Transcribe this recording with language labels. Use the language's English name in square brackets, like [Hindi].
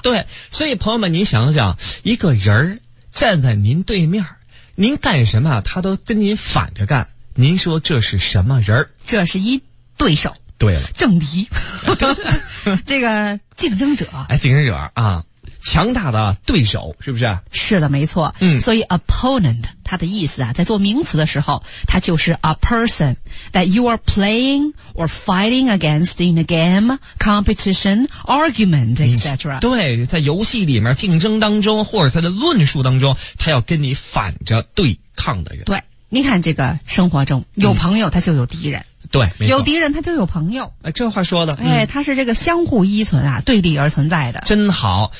[Chinese] 对，所以朋友们您想想，一个人站在您对面，您干什么他都跟您反着干，您说这是什么人，这是一对手，对了，政敌这个竞争者，哎，竞争者啊，强大的对手，是不是，是的，没错，嗯，所以 opponent 它的意思啊，在做名词的时候，它就是 [English] a person that you are playing or fighting against in a game, competition, argument, etc. [Chinese] 对，在游戏里面竞争当中，或者他的论述当中，他要跟你反着对抗的人。对，你看这个生活中，有朋友他就有敌人。嗯对没错，有敌人他就有朋友，这话说的，哎，他是这个相互依存啊，对立而存在的，真好。